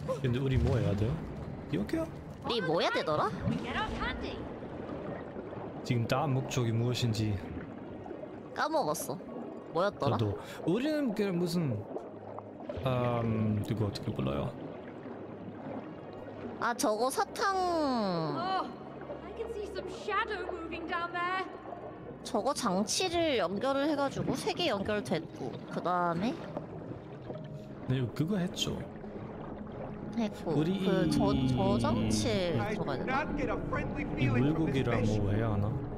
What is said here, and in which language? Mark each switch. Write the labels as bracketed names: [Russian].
[Korean] 근데 우리 뭐 해야 돼요? 기억해요? 우리 뭐 해야 되더라? 지금 다음 목적이 무엇인지 까먹었어. 뭐였더라? 나도. 우리는 그냥 무슨 이거 어떻게 불러요? 아, 저거 사탕. [English] I can see some shadow moving down there. [Korean] 저거 장치를 연결을 해가지고 세 개 연결됐고 그 다음에. 네, 그거 했죠. 했고. 우리 그저저 장치 들어가야 되나? 물고기랑 뭐 해야 하나?